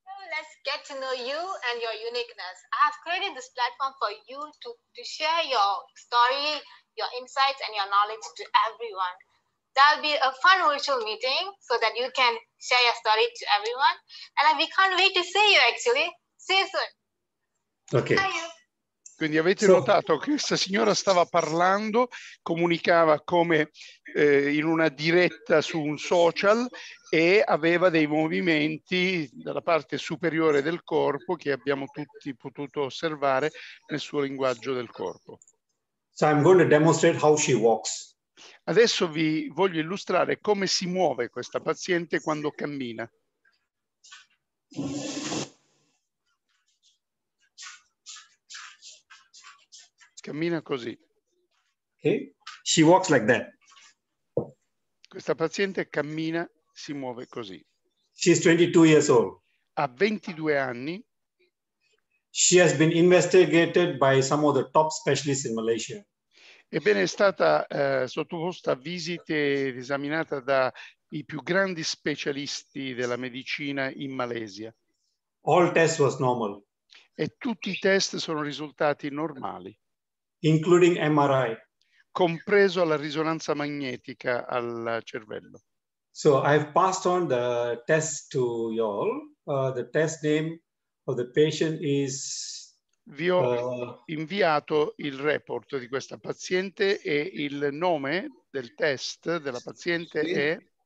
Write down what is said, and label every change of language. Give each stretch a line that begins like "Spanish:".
English: Let's get to know you and your uniqueness. I have created this platform for you to share your story, your insights and your knowledge to everyone. That'll be a fun virtual meeting so that you can share your story to everyone. And we can't wait to see you actually. See you soon. Okay.
Italian: Quindi avete notato che questa signora stava parlando, comunicava come in una diretta su un social e aveva dei movimenti dalla parte superiore del corpo che abbiamo tutti potuto osservare nel suo linguaggio del corpo.
English: So I'm going to demonstrate how she walks.
Italian: Adesso vi voglio illustrare come si muove questa paziente quando cammina. Cammina così.
English: Okay. She walks like that.
Italian: Questa paziente cammina, si muove così.
English: She's 22 years old.
Italian: Ha 22 anni.
English: She has been investigated by some of the top specialists in Malaysia.
Italian: Ebbene, è stata sottoposta a visite ed esaminata dai più grandi specialisti della medicina in Malesia.
English: All tests was normal.
Italian: E tutti i test sono risultati normali.
English: Including MRI.
Italian: Compreso la risonanza magnetica al cervello.
English: So I've passed on the test to you all. The test name of the patient is...
Italian: Vi ho inviato il report di questa paziente e il nome del test della paziente è...